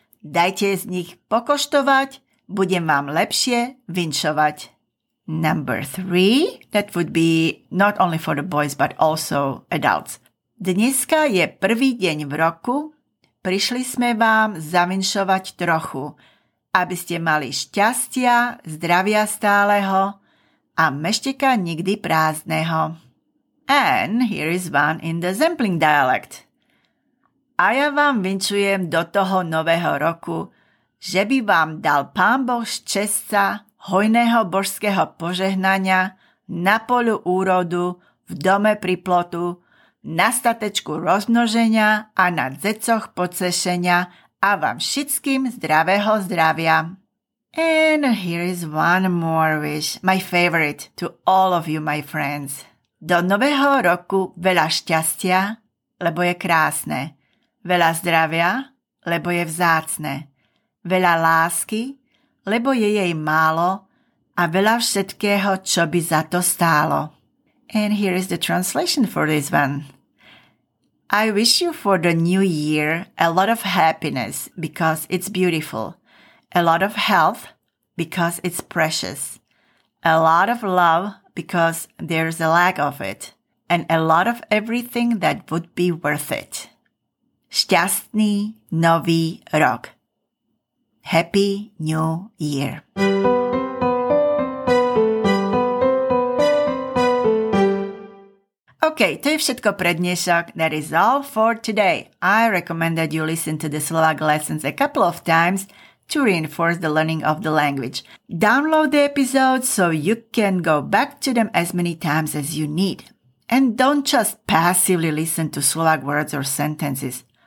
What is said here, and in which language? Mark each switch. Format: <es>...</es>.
<sk>Dajte z nich pokoštovať, budem vám lepšie vinšovať.</sk> <en>Number three, that would be not only for the boys, but also adults.</en> <sk>Dneska je prvý deň v roku, prišli sme vám zavinšovať trochu, aby ste mali šťastia, zdravia stáleho a meštika nikdy prázdneho.</sk> <en>And here is one in the Zempling dialect.</en> <sk>A ja vám vinčujem do toho nového roku, že by vám dal pán Boh šťastia, hojného božského požehnania, na polu úrodu, v dome pri plotu, na statečku rozmnoženia a na dzecoch pocešenia a vám všetkým zdravého zdravia.</sk> <en>And here is one more wish, my favorite, to all of you, my friends.</en> <sk>Do nového roku veľa šťastia, lebo je krásne. Veľa zdravia, lebo je vzácne. Veľa lásky, lebo je jej málo a veľa všetkého, čo by za to stálo.</sk> <en>And here is the translation for this one. I wish you for the new year a lot of happiness because it's beautiful, a lot of health because it's precious, a lot of love because there's a lack of it, and a lot of everything that would be worth it.</en> <sk>Šťastný nový rok.</sk> <en>Happy New Year.</en> <sk>Okay, to je všetko pre dnešok.</sk> <en>That is all for today. I recommend that you listen to the Slovak lessons a couple of times to reinforce the learning of the language. Download the episodes so you can go back to them as many times as you need. And don't just passively listen to Slovak words or sentences.</en>